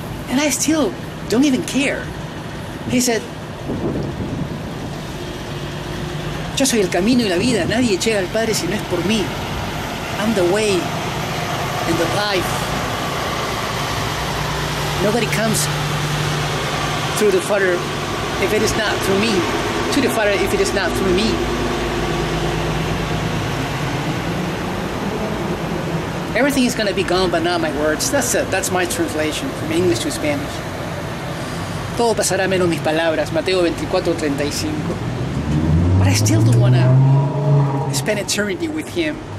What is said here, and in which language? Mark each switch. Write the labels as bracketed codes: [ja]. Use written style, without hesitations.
[en] And I still don't even care. He said, [es] yo soy el camino y la vida. Nadie llega al Padre si no es por mí. [en] I'm the way and the life. Nobody comes through the Father if it is not through me. To the Father if it is not through me. Everything is going to be gone, but not my words. That's my translation from English to Spanish. [es] Todo pasará menos mis palabras, Mateo 24:35. [en] But I still don't want to spend eternity with Him.